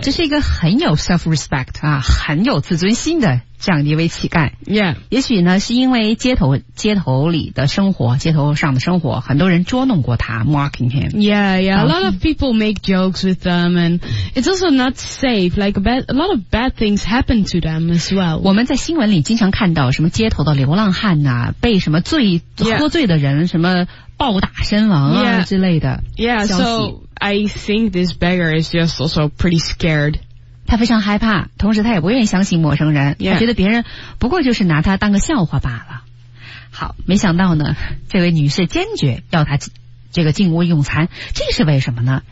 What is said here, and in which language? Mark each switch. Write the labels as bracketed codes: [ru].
[zh] 这是一个很有 self-respect, 很有自尊心的这样的一位乞丐。 [en] Yeah. [zh] 也许呢是因为街头里的生活，街头上的生活，很多人捉弄过他， [en] mocking him. Yeah, yeah. A lot of people make jokes with them and it's also not safe. Like a lot of bad things happen to them as well. [zh] 我们在新闻里经常看到什么街头的流浪汉啊，被什么醉、 [en] yeah. [zh] 喝醉的人什么暴打身亡啊、 [en] yeah. [zh] 之类的。 [en] Yeah, so I think this beggar is just also pretty scared. [zh] 他非常害怕，同时他也不愿意相信陌生人、 [en] yeah. [zh] 他觉得别人不过就是拿他当个笑话罢了。好，没想到呢，这位女士坚决要他这个进屋用餐，这是为什么呢？